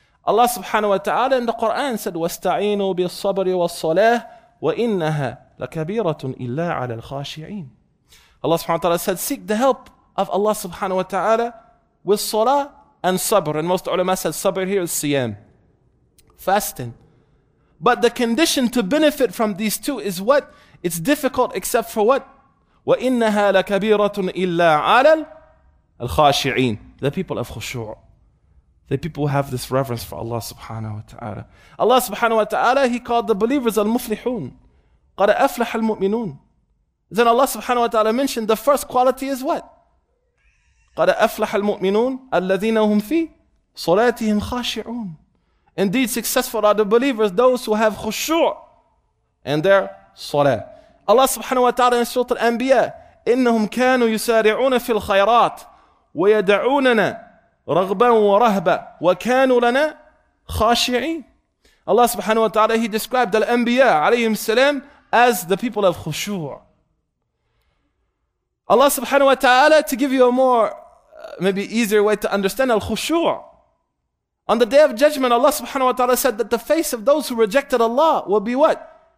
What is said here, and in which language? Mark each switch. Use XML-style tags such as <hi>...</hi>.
<ar>Allah subhanahu wa ta'ala</ar> <en>in the Quran said,</en> <ar>وَاسْتَعِينُوا بِالصَّبْرِ وَالصَّلَاةِ وَإِنَّهَا لَكَبِيرَةٌ إِلَّا عَلَى الْخَاشِعِينَ.</ar> <en>Allah subhanahu wa ta'ala said, seek the help of Allah subhanahu wa ta'ala with salah and sabr. And most ulama said sabr here is siyam, fasting. But the condition to benefit from these two is what? It's difficult except for what?</en> <ar>وَإِنَّهَا لَكَبِيرَةٌ إِلَّا عَلَى الْخَاشِعِينَ.</ar> <en>The people of khushu'. The people who have this reverence for Allah subhanahu wa ta'ala. Allah subhanahu wa ta'ala, he called the believers al-muflihun.</en> <ar>قَدْ أَفْلَحَ الْمُؤْمِنُونَ.</ar> <en>Then Allah subhanahu wa ta'ala mentioned the first quality is what?</en> <ar>قَدْ أَفْلَحَ الْمُؤْمِنُونَ الَّذِينَ هُمْ فِي صُلَاتِهِمْ خَاشِعُونَ.</ar> <en>Indeed, successful are the believers, those who have khushu' in their salah.</en> <ar>Allah subhanahu wa ta'ala</ar> <en>in Surah Al-Anbiya,</en> <ar>إِنَّهُمْ كَانُوا يُسَارِعُونَ فِي الْخَيْرَاتِ وَيَدَعُونَنَا رَغْبًا وَرَهْبًا وَكَانُوا لَنَا خَاشِعِينَ.</ar> <en>Allah subhanahu wa ta'ala, he described Al-Anbiya alayhim salam as the people of khushu'. Allah subhanahu wa ta'ala, to give you a more maybe easier way to understand al-khushu'. On the day of judgment, Allah subhanahu wa ta'ala said that the face of those who rejected Allah will be what?</en>